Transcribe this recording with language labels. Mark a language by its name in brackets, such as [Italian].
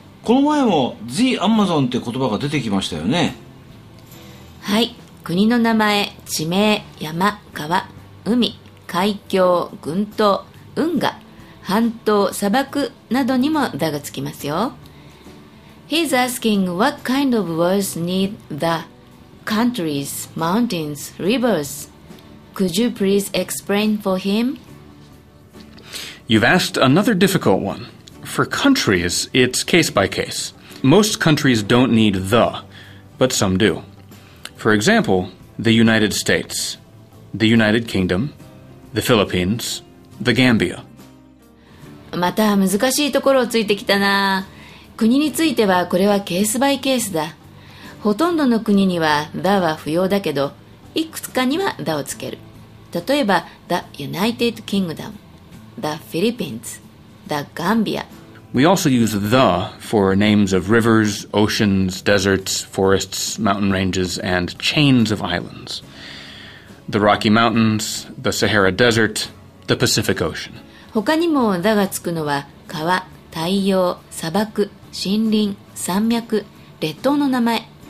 [Japanese] この前も The Amazon って言葉が出てきましたよね。はい、国の名前、地名、山、川、海、海峡、群島、運河、半島、砂漠などにも the がつきますよ。 [English] He's asking what kind of words need the countries, mountains, rivers. Could you please explain for him? You've asked another difficult one. For countries, it's case by case. Most countries don't need the, but some do. For example, the United States, the United Kingdom, the Philippines, the Gambia. [Japanese] また難しいところをついてきたな。国についてはこれはケースバイケースだ。ほとんどの国には the は不要だけど、いくつかには the をつける。例えば the United Kingdom, the Philippines, the Gambia. [English] We also use the for names of rivers, oceans, deserts, forests, mountain ranges, and chains of islands. The Rocky Mountains, the Sahara Desert, the Pacific Ocean. [Japanese] 他にも the がつくのは川、太陽、砂漠、森林、山脈、列島の名前。